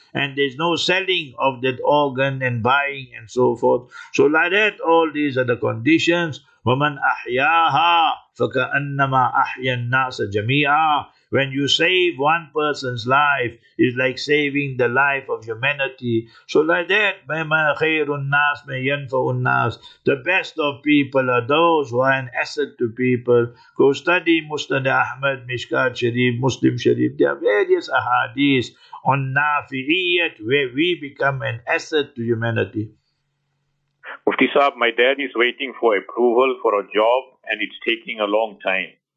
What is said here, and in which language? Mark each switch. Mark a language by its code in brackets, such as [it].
[en] And there's no selling of that organ and buying and so forth. So like that, all these are the conditions. [ar] وَمَنْ أَحْيَاهَا فَكَأَنَّمَا أَحْيَا النَّاسَ جَمِيعًا. [en] When you save one person's life, it's like saving the life of humanity. So like that, [ar] مَنْ خَيْرُ النَّاسِ مَنْ يَنْفَعُ النَّاسِ. [en] The best of people are those who are an asset to people. Go study Musnad Ahmad, Mishkat Sharif, Muslim Sharif. There are various ahadith on nafi'iyat, where we become an asset to humanity. Mufti Saab, my dad is waiting for approval for a job and it's taking a long time.